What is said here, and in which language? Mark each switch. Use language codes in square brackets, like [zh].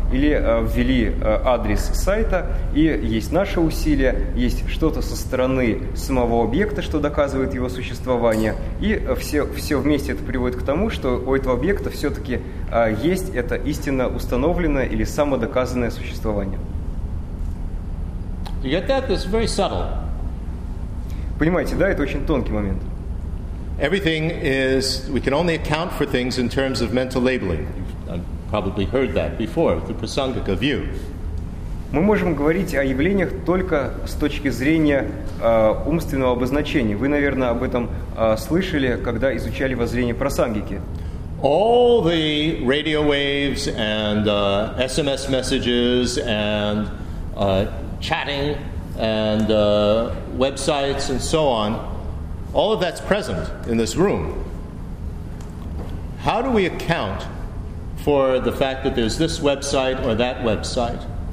[ru] или ввели адрес сайта, и есть наши усилия, есть что-то со стороны самого объекта, что доказывает его существование, и все вместе это приводит к тому, что у этого объекта все-таки есть это истинно установленное или самодоказанное существование. [en] You get that? It's very subtle. [ru] Понимаете, да, это очень тонкий момент. [en] Everything is, we can only account for things in terms of mental labeling. You've probably heard that before, the prasangika view. [ru] Мы можем говорить о явлениях только с точки зрения умственного обозначения. Вы, наверное, об этом слышали, когда изучали воззрение прасангики. [en] All the radio waves and SMS messages and chatting and websites and so on, all of that's present in this room. How do we account for the fact that there's this website or that website?